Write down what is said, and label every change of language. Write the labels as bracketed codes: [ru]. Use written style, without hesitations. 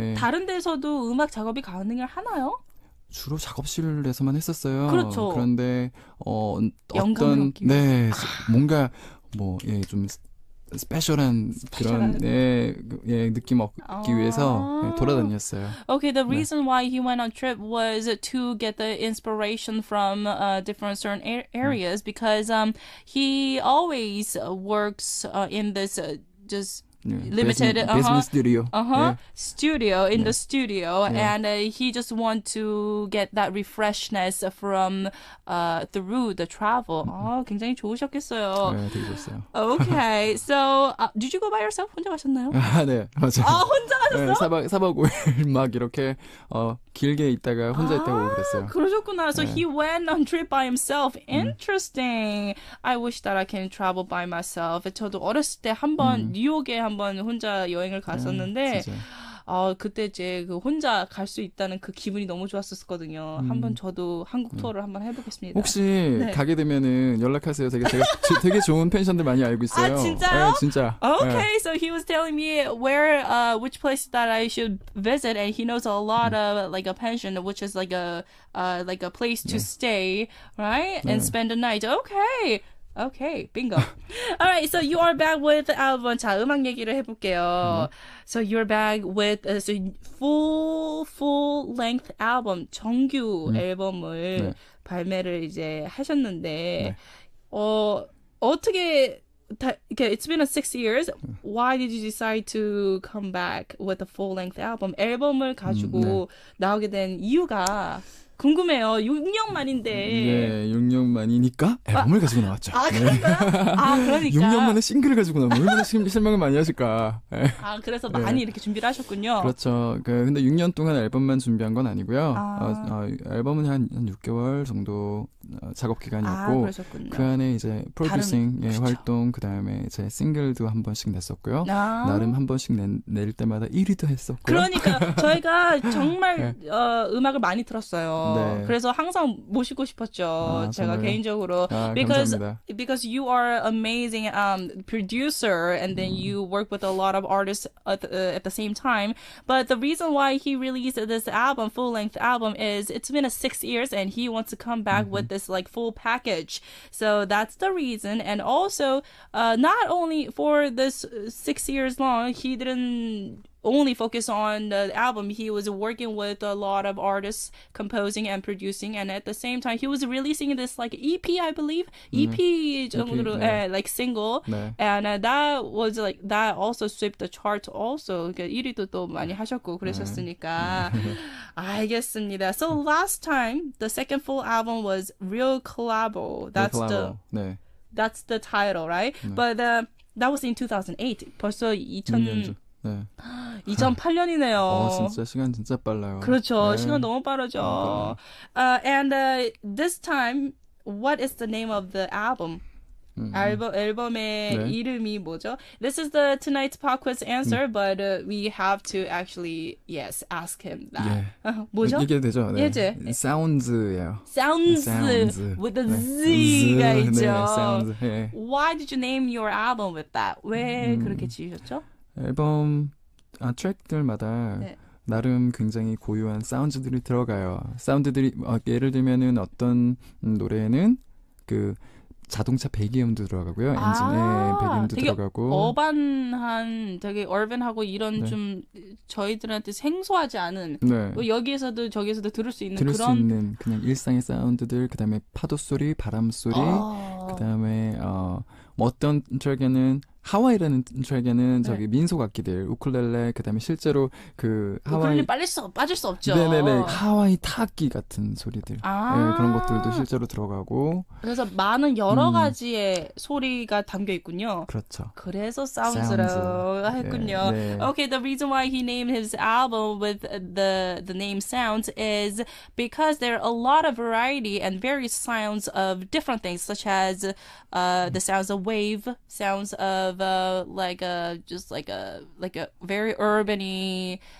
[ko] 다른 데서도 음악 작업이 가능을 하나요? 주로 작업실에서만 했었어요. 그렇죠. 그런데 어떤 네 뭔가 뭐 예 좀 스페셜한 그런 예 느낌 얻기 위해서 예, 돌아다녔어요. [en] Okay, the reason [ko] 네. [en] why he went on trip was to get the inspiration from different certain areas because he always works in this just. Yeah, limited business studio in yeah. the studio yeah. and he just want to get that refreshness from through the travel. [ko] Mm-hmm. Oh, 굉장히 좋으셨겠어요. 네, 되게 좋았어요. [en] Okay. So, did you go by yourself? [ko] 혼자 가셨나요? 아, 네. 맞아요. 아, 혼자 가셨어요? 네, 4박 5일 막 이렇게 길게 있다가 혼자 있다고 그랬어요. 그러셨구나. [en] So, [ko] 네. [en] he went on trip by himself. Interesting. I wish that I can travel by myself. [ko] 저도 어렸을 때 한번 뉴욕에 한번 혼자 여행을 갔었는데 그때 이제 그 혼자 갈 수 있다는 그 기분이 너무 좋았었거든요. 한번 저도 한국 투어를 한번 해보겠습니다. 혹시 네. 가게 되면은 연락하세요. 제가 되게 좋은 펜션들 많이 알고 있어요. 아 진짜요? 네, 진짜. [en] Okay, [ko] 네. [en] so he was telling me where which place that I should visit, and he knows a lot of like a pension, which is like a place to [ko] 네. [en] stay, right, and [ko] 네. [en] spend a night. Okay. Okay, bingo. All right, so you are back with the album. [ko] 자, 음악 얘기를 해볼게요. [en] Mm-hmm. So you're back with a full length album, [ko] 정규 앨범을 네. 발매를 이제 하셨는데, 네. 어떻게, [en] okay, it's been a 6 years. Why did you decide to come back with a full length album? [ko] 앨범을 가지고 네. 나오게 된 이유가, 궁금해요. 6년 만인데. 네, 6년 만이니까 앨범을 가지고 나왔죠. 아, 그러니까. 6년 만에 싱글을 가지고 나왔죠. 얼마나 실망을 많이 하실까. 네. 아, 그래서 네. 많이 이렇게 준비를 하셨군요. 그렇죠. 근데 6년 동안 앨범만 준비한 건 아니고요. 앨범은 한 6개월 정도 작업 기간이었고. 아, 그러셨군요. 그 안에 이제 프로듀싱 다른, 예, 활동, 그 다음에 제 싱글도 한 번씩 냈었고요. 아. 나름 한 번씩 낼 때마다 1위도 했었고요. 그러니까 저희가 정말 네. 음악을 많이 들었어요. 네. 그래서 항상 모시고 싶었죠. 아, 제가 정말요? 개인적으로 아, [en] because [ko] 감사합니다. [en] because you are amazing producer and then you work with a lot of artists at the same time. But the reason why he released this album, full length album, is it's been a 6 years and he wants to come back mm-hmm. with this like full package. So that's the reason. And also, not only for this 6 years long, he didn't only focus on the album. He was working with a lot of artists composing and producing, and at the same time he was releasing this like EP, I believe. EP, EP [ko] 정도, 네. [en] 네, like single [ko] 네. [en] and that was like that also swept the charts also. [ko] 1위도 또 많이 하셨고 그러셨으니까 알겠습니다. [en] So last time the second full album was Real Collabo. That's Real Collabo. [ko] 네. [en] that's the title, right? [ko] 네. [en] But that was in 2008. [ko] 벌써 2000 네. 2008년이네요. 진짜 시간 진짜 빨라요. 그렇죠. 네. 시간 너무 빠르죠. 네. [en] This time, what is the name of the album? [ko] 앨범의 네. 이름이 뭐죠? [en] This is the tonight's pop quiz answer, but we have to actually yes ask him that. [ko] 예. 뭐죠? 얘기해도 되죠. 네. 예제. Sounds예요. [en] Sounds with the Z가 [ko] 있죠. 네, sounds. 예. [en] Why did you name your album with that? [ko] 왜 그렇게 지으셨죠? 앨범 트랙들마다 네. 나름 굉장히 고유한 사운드들이 들어가요. 사운드들이 예를 들면은 어떤 노래에는 그 자동차 배기음도 들어가고요. 엔진의 배기음도 되게 들어가고 어반한 되게 어반하고 이런 네. 좀 저희들한테 생소하지 않은 네. 뭐 여기에서도 저기에서도 들을 수 있는 들을 그런 수 있는 그냥 일상의 사운드들 그다음에 파도 소리, 바람 소리 그다음에 어떤 트랙에는 하와이라는 트랙에는 네. 저기 민속 악기들 우쿨렐레 그다음에 실제로 그 하와이 우쿨렐레 빠질 수 없죠. 네네네 하와이 타악기 같은 소리들 네, 그런 것들도 실제로 들어가고 그래서 많은 여러 가지의 소리가 담겨 있군요. 그렇죠. 그래서 사운드라고 했군요. 네, 네. [en] Okay, the reason why he named his album with the name Sounds is because there are a lot of variety and various sounds of different things, such as the sounds of wave, sounds of like a very urban-y